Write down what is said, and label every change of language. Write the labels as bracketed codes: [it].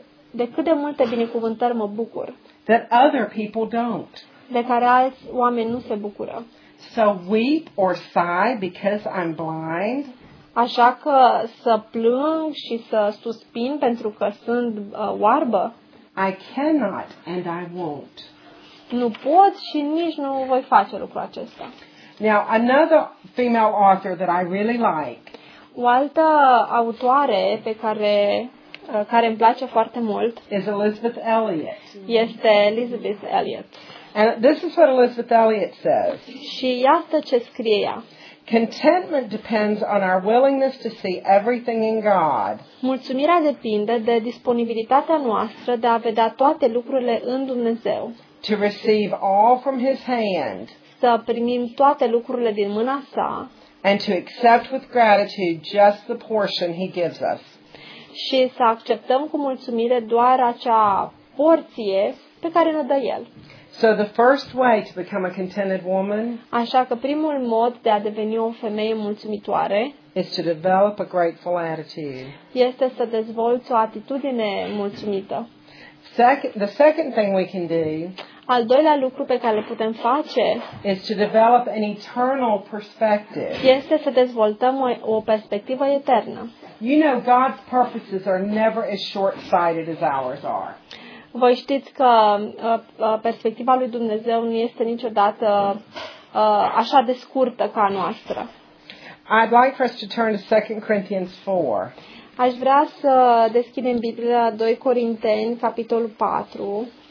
[ro] De câte multe binecuvântări mă bucur. [en] That other people don't. [ro] De care alți oameni nu se bucură. [en] So weep or sigh because I'm blind. [ro] Așa că să plâng și să suspin pentru că sunt oarbă. [en] I cannot and I won't. [ro] Nu pot și nici nu voi face lucrul acesta. [en] Now another female author that I really like. [ro] O altă autoare pe care îmi place foarte mult [en] is Elizabeth Elliot. [ro] Este Elizabeth Elliot. [en] And this is what Elizabeth Elliot says. [ro] Și iată ce scrie ea. [en] Contentment depends on our willingness to see everything in God. [ro] Mulțumirea depinde de disponibilitatea noastră de a vedea toate lucrurile în Dumnezeu. [en] To receive all from His hand. [ro] Să primim toate lucrurile din mâna Sa. [en] And to accept with gratitude just the portion He gives us. [ro] Și să acceptăm cu mulțumire doar acea porție pe care ne dă El. [en] So the first way to become a contented woman. [ro] Așa că primul mod de a deveni o femeie mulțumitoare. [en] Is to develop a grateful attitude. [ro] Este să dezvolți o atitudine mulțumită. [en] The second thing we can do. [ro] Al doilea lucru pe care le putem face. [en] Is to develop an eternal perspective. [ro] Este să dezvoltăm o perspectivă eternă. [en] You know God's purposes are never as short-sighted as ours are. [ro] Voi știți că perspectiva lui Dumnezeu nu este niciodată așa de scurtă ca a noastră. [en] I'd like for us to turn to 2 Corinthians 4. [ro] Aș vrea să deschidem Biblia 2 Corinteni, capitolul 4.